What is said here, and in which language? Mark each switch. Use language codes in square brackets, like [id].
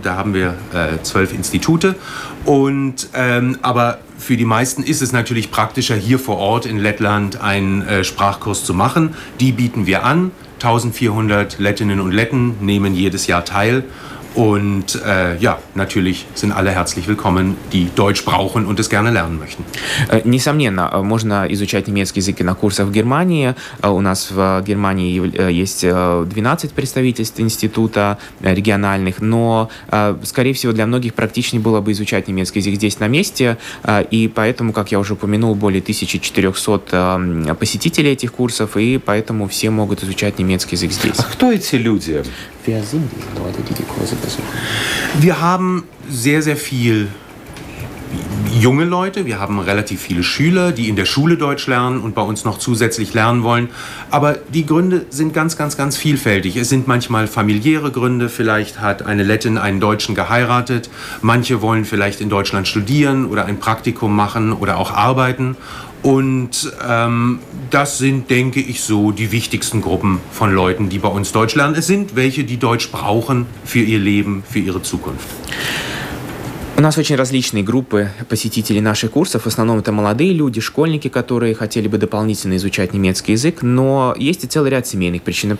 [de] Da haben wir 12 Institute. Und, aber für die meisten ist es natürlich praktischer, hier vor Ort in Lettland einen Sprachkurs zu machen. Die bieten wir an. 1400 Lettinnen und Letten nehmen jedes Jahr teil. Und ja, natürlich sind alle herzlich willkommen, die Deutsch brauchen und es gerne lernen möchten. [ru] Несомненно, можно изучать немецкий язык на курсах в Германии. У нас в Германии есть 12 представительств института региональных, но, скорее всего, для многих практичнее было бы изучать немецкий язык здесь на месте, и поэтому, как я уже упомянул, более 1400 посетителей этих курсов, и поэтому все могут изучать немецкий язык здесь. А кто эти люди? [de] Wer sind die Leute, die die Kurse besuchen? Wir haben sehr, sehr viel junge Leute. Wir haben relativ viele Schüler, die in der Schule Deutsch lernen und bei uns noch zusätzlich lernen wollen. Aber die Gründe sind ganz, ganz, ganz vielfältig. Es sind manchmal familiäre Gründe. Vielleicht hat eine Lettin einen Deutschen geheiratet. Manche wollen vielleicht in Deutschland studieren oder ein Praktikum machen oder auch arbeiten. Und das sind, denke ich, so die wichtigsten Gruppen von Leuten, die bei uns Deutsch lernen. Es sind welche, die Deutsch brauchen für ihr Leben, für ihre Zukunft. [ru] У нас очень различные группы посетителей наших курсов. В основном это молодые люди, школьники, которые хотели бы дополнительно изучать немецкий язык, но есть и целый ряд семейных причин.